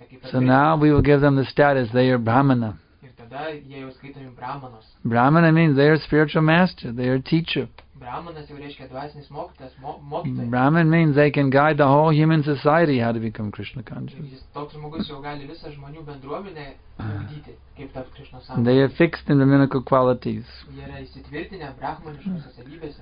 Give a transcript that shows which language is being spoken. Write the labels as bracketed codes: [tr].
[en] So now we will give them the status, they are Brahmana. [lt] Ir tada jie jau skaitomi brahmanos. [en] Brahmana means they are spiritual master, they are teacher. [lt] Brahmanas jau reiškia dvasinis mokytas, mokytojas. [en] Brahman means they can guide the whole human society how to become Krishna conscious. [lt] Jis toks žmogus jau gali visą žmonių bendruomenę ugdyti, kaip tapti Krishna sąmonė. [en] They are fixed in brahmanical qualities. [lt] Jie yra įsitvirtinę brahmaniškose savybėse.